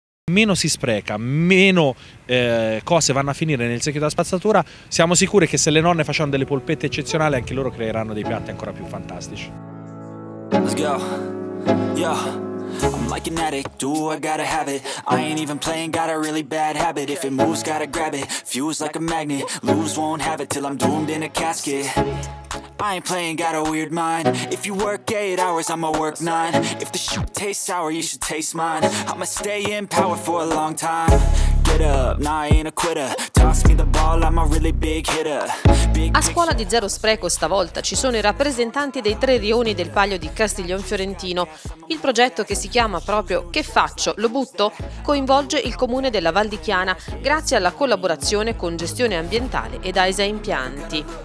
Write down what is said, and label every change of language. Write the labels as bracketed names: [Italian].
[Italian] meno si spreca, meno cose vanno a finire nel secchio della spazzatura. Siamo sicuri che se le nonne facciano delle polpette eccezionali, anche loro creeranno dei piatti ancora più fantastici. [English] Let's go. Yo. I'm like an addict, do I gotta have it? I ain't even playing, got a really bad habit. If it moves, gotta grab it, fuse like a magnet. Lose, won't have it till I'm doomed in a casket. I ain't playing, got a weird mind. If you work 8 hours, I'ma work 9. If the shit tastes sour, you should taste mine. I'ma stay in power for a long time. Get up, nah, I ain't a quitter. Toss me the ball, I'm a really big hitter. [Italian] A scuola di zero spreco stavolta ci sono i rappresentanti dei tre rioni del Palio di Castiglion Fiorentino. Il progetto, che si chiama proprio Che faccio, lo butto, coinvolge il comune della Val di Chiana grazie alla collaborazione con Gestione Ambientale ed AESA Impianti.